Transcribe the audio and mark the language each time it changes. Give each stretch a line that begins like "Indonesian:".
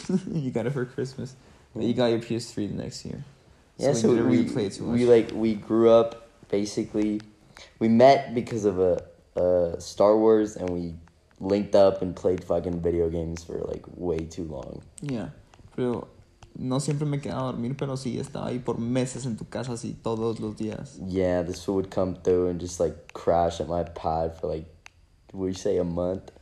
English: You got it for Christmas. But you got your PS3 the next year. Yeah, so we replay it too much. We grew up, basically. We met because of a Star Wars, and we linked up and played fucking video games for, like, way too long. Yeah.
Spanish: Pero no siempre me quedaba a dormir, pero sí estaba ahí por meses en tu casa, así, todos los días.
English: Yeah, this fool would come through and just, like, crash at my pad for, like, would you say a month?